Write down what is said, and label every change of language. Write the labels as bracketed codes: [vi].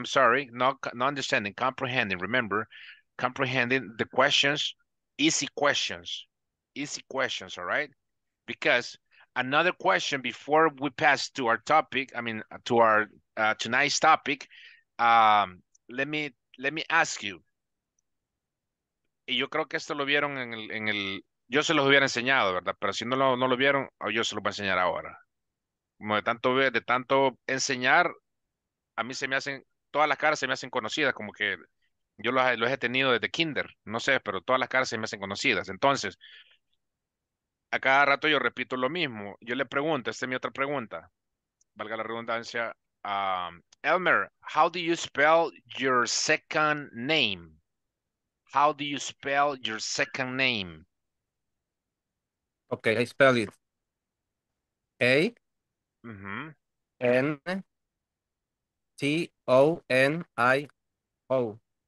[en] I'm sorry, not understanding, comprehending. Remember, comprehending the questions, easy questions, all right? Because another question before we pass to our topic, I mean, to our tonight's topic, let me ask you. [es] Y yo creo que esto lo vieron en el, yo se los hubiera enseñado, ¿verdad? Pero si no lo vieron, yo se los voy a enseñar ahora. Como de tanto enseñar, a mí se me hacen, todas las caras se me hacen conocidas, como que yo lo he tenido desde kinder, no sé, pero todas las caras se me hacen conocidas. Entonces, a cada rato yo repito lo mismo. Yo le pregunto, esta es mi otra pregunta, valga la redundancia. [en] Elmer, how do you spell your second name? How do you spell your second name? Okay, I spell it. A. Mm-hmm. N. T. O. N. I. O.